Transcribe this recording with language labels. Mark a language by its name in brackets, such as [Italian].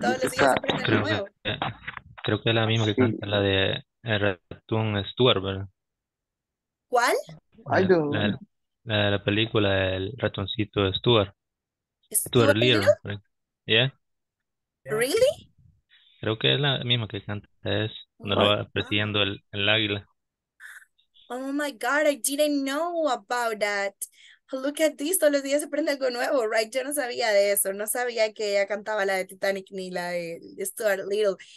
[Spanish] Creo que es la misma que canta la de Ratun Stewart, ¿verdad? ¿Cuál? La película, el ratoncito de Stuart. Stuart Little? [English] Yeah. Really? [Spanish] Creo que es la misma que canta, es cuando lo va persiguiendo el águila. [English] Oh my God, I didn't know about that. Look at this, [Spanish] todos los días se prende algo nuevo, right? Yo no sabía de eso, no sabía que ella cantaba la de Titanic ni la de Stuart Little.